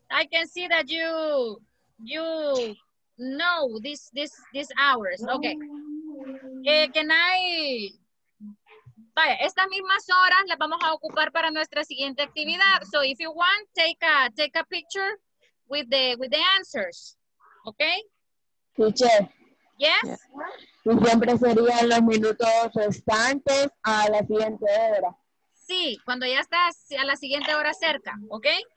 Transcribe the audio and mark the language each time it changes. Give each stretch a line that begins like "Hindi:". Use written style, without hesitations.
English: I can see that you know this hours. Okay. Can I...
Spanish: Vaya, estas mismas horas las vamos a ocupar para nuestra siguiente actividad.
English: So if you want, take a picture with the answers. Okay? Teacher. Yes? Yeah.
Spanish: Y siempre serían los minutos restantes a la siguiente hora. Sí, cuando ya estás a la siguiente hora cerca, ¿ok?